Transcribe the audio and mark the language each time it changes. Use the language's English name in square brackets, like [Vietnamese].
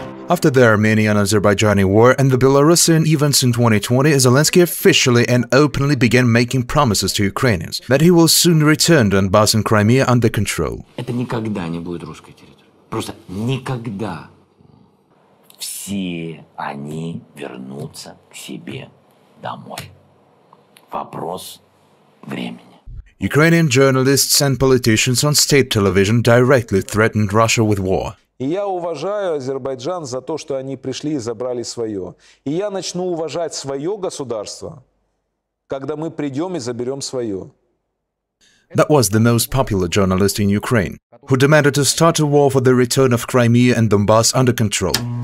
[English] After the Armenian-Azerbaijani war and the Belarusian events in 2020, Zelensky officially and openly began making promises to Ukrainians that he will soon return Donbass and Crimea under control. [Russian] Это никогда не будет русской территорией. Просто никогда. Все они вернутся к себе домой. Вопрос времени. [English] Ukrainian journalists and politicians on state television directly threatened Russia with war. [Russian] И я уважаю Азербайджан за то, что они пришли и забрали свое. И я начну уважать свое государство, когда мы придем и заберем свое. [English] That was the most popular journalist in Ukraine, who demanded to start a war for the return of Crimea and Donbass under control.